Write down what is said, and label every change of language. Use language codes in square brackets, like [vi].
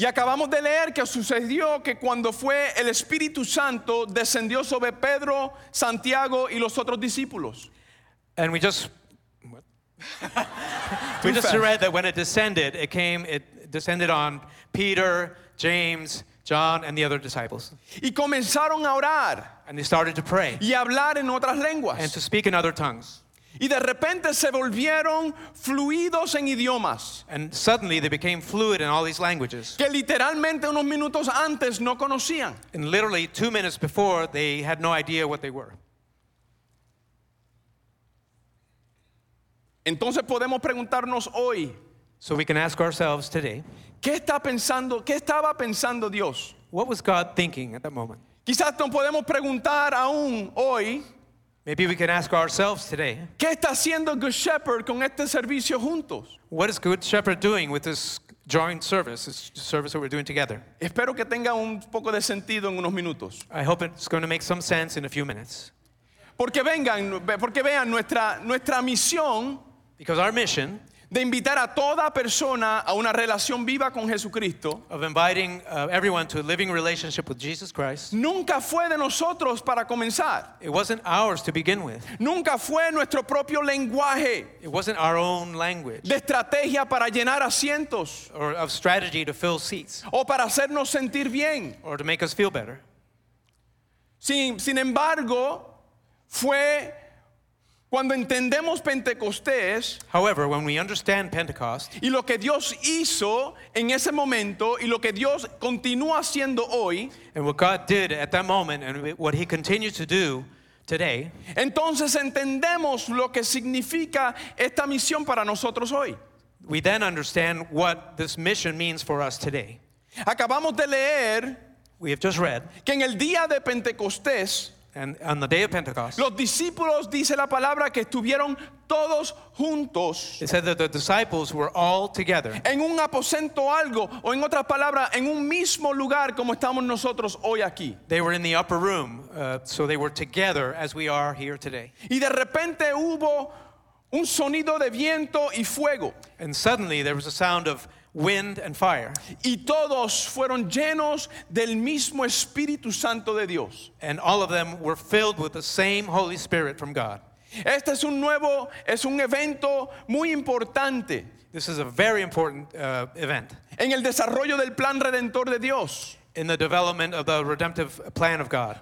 [es] Y acabamos de leer que sucedió que cuando fue el Espíritu Santo descendió sobre Pedro, Santiago y los otros discípulos. [en] And we just read that when it descended, it descended on Peter, James, John and the other disciples. [es] Y comenzaron a orar. [en] And they started to pray. [es] Y hablar en otras lenguas. [en] And to speak in other tongues. [es] Y de repente se volvieron fluidos en idiomas. [en] And suddenly they became fluid in all these languages. [es] Que literalmente unos minutos antes no conocían. [en] And literally 2 minutes before they had no idea what they were. [es] Entonces podemos preguntarnos hoy. [en] So we can ask ourselves today. [es] ¿Qué estaba pensando Dios? [en] What was God thinking at that moment? [es] Quizás no podemos preguntar aún hoy. [en] Maybe we can ask ourselves today. [es] ¿Qué está haciendo Good Shepherd con este servicio juntos? [en] What is Good Shepherd doing with this joint service, this service that we're doing together? [es] Espero que tenga un poco de sentido en unos minutos. [en] I hope it's going to make some sense in a few minutes. [es] Porque vean nuestra misión. [en] Because our mission. [es] De invitar a toda persona a una relación viva con Jesucristo. [en] Of inviting everyone to a living relationship with Jesus Christ. [es] Nunca fue de nosotros para comenzar. [en] It wasn't ours to begin with. [es] Nunca fue nuestro propio lenguaje. [en] It wasn't our own language. [es] De estrategia para llenar asientos. [en] Or of strategy to fill seats. [es] O para hacernos sentir bien. [en] Or to make us feel better. [es] Sin embargo, fue Cuando entendemos Pentecostés, [en] however, when we understand Pentecost, [es] y lo que Dios hizo en ese momento y lo que Dios continúa haciendo hoy, [en] and what God did at that moment and what he continues to do today, [es] entonces entendemos lo que significa esta misión para nosotros hoy. [en] We then understand what this mission means for us today. [es] Acabamos de leer, [en] we have just read, [es] que en el día de Pentecostés, [en] and on the day of Pentecost, [es] los discípulos, dice la palabra, que estuvieron todos juntos. [en] It said that the disciples were all together. [es] En un aposento algo, o en otras palabras, en un mismo lugar como estamos nosotros hoy aquí. [en] They were in the upper room, so they were together as we are here today. [es] Y de repente hubo un sonido de viento y fuego. [en] And suddenly there was a sound of wind and fire. [es] Y todos fueron llenos del mismo Espíritu Santo de Dios. [en] And all of them were filled with the same Holy Spirit from God. [es] Este es un nuevo, es un evento muy importante. [en] This is a very important event. [es] En el desarrollo del plan redentor de Dios. [en] In the development of the redemptive plan of God.